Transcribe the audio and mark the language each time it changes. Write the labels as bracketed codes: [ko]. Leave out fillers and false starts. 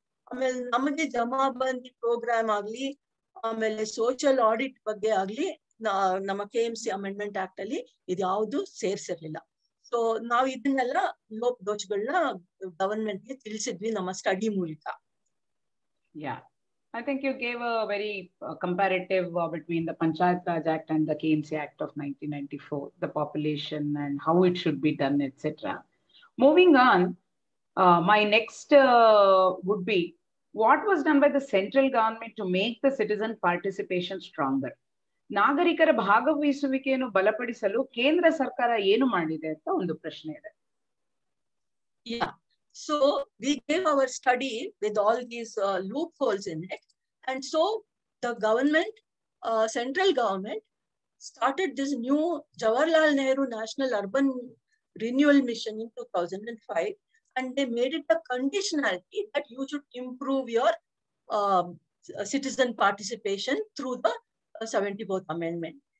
[kn] ಆಮೇಲೆ ನಮಗೆ ಜಮಾಬಂದಿ ಪ್ರೋಗ್ರಾಮ್ ಆಗ್ಲಿ, ಆಮೇಲೆ ಸೋಷಿಯಲ್ ಆಡಿಟ್ ಬಗ್ಗೆ ಆಗ್ಲಿ, ನಮ್ಮ ಕೆಎಂಸಿ ಅಮೆಂಡ್ಮೆಂಟ್ ಆಕ್ಟ್ ಅಲ್ಲಿ ಇದ್ಯಾವುದು ಸೇರಿಸಿರ್ಲಿಲ್ಲ. ಸೊ ನಾವು ಇದನ್ನೆಲ್ಲ ಲೋಪ ದೋಷಗಳನ್ನ ಗವರ್ನಮೆಂಟ್ ಗೆ ತಿಳಿಸಿದ್ವಿ ನಮ್ಮ ಸ್ಟಡಿ ಮೂಲಕ. [en] I think you gave a very comparative between the Panchayat Raj Act and the KMC Act of 1994, the population and how it should be done, etc. Moving on, my next would be, What was done by the central government to make the citizen participation stronger? [kn] ನಾಗರಿಕರ ಭಾಗವಹಿಸುವಿಕೆಯನ್ನು ಬಲಪಡಿಸಲು ಕೇಂದ್ರ ಸರ್ಕಾರ ಏನು ಮಾಡಿದೆ ಅಂತ ಒಂದು ಪ್ರಶ್ನೆ ಇದೆ. [en] Yeah, so we gave our study with all these loopholes in it, and so the government, central government, started this new Jawaharlal Nehru National Urban Renewal Mission in 2005, and they made it a conditionality that you should improve your citizen participation through the 74th Amendment.